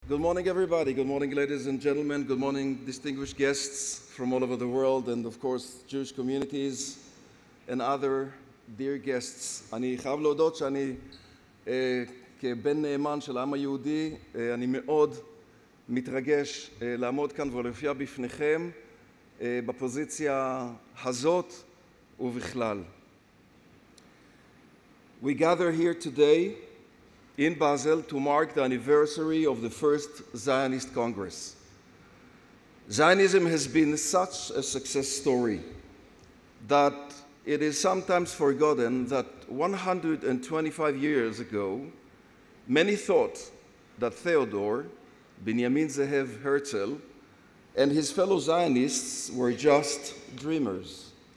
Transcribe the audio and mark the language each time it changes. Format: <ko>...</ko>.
<en>Good morning, everybody. Good morning, ladies and gentlemen. Good morning, distinguished guests from all over the world, and of course, Jewish communities and other dear guests.</en> <he>אני חייב להודות שאני כבן נאמן של העם היהודי, אני מאוד מתרגש לעמוד כאן ולהופיע בפניכם בפוזיציה הזאת ובכלל.</he> <en>We gather here today in Basel to mark the anniversary of the first Zionist Congress. Zionism has been such a success story that it is sometimes forgotten that 125 years ago, many thought that Theodor, Benjamin Zeev Herzl, and his fellow Zionists were just dreamers.</en>